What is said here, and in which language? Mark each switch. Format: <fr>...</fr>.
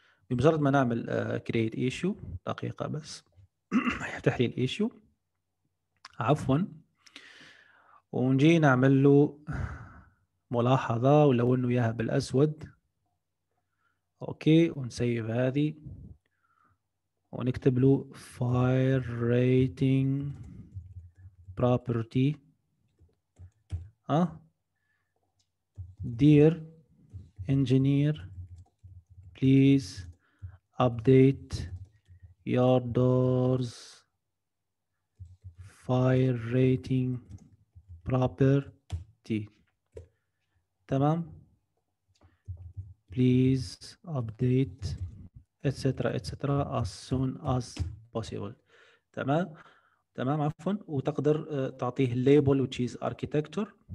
<ar>بمجرد ما نعمل كرييت ايشو، دقيقه بس يفتح لي الايشو عفوا، ونجي نعمل له ملاحظه ولونه اياها بالاسود. اوكي ونسيف هذه ونكتب له فاير ريتنج</ar> <en>property dear engineer please update your doors fire rating property.</en> <ar>تمام.</ar> <en>please update etc etc as soon as possible.</en> <ar>تمام تمام عفوا. وتقدر تعطيه ليبل</ar> <en>which is architecture.</en>